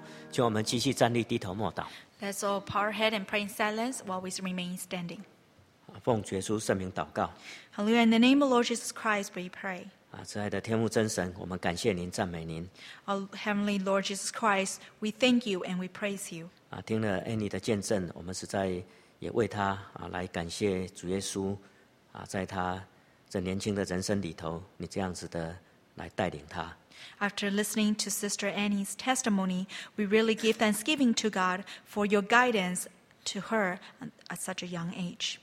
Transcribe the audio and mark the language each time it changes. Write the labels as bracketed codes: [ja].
[zh] 请我们继续站立低头默祷。 [en] Let's all bow our head and pray in silence while we remain standing. [zh] 奉主耶稣圣名祷告。 [en] Hallelujah, in the name of Lord Jesus Christ, we pray. [zh] 慈爱的天父真神，我们感谢您，赞美您。 [en] Heavenly Lord Jesus Christ, we thank you and we praise you. [zh] 听了 Annie 的见证，我们实在也为她来感谢主耶稣，在她这年轻的人生里头，你这样子的来带领她。 [en] After listening to Sister Annie's testimony, we really give thanksgiving to God for your guidance to her at such a young age.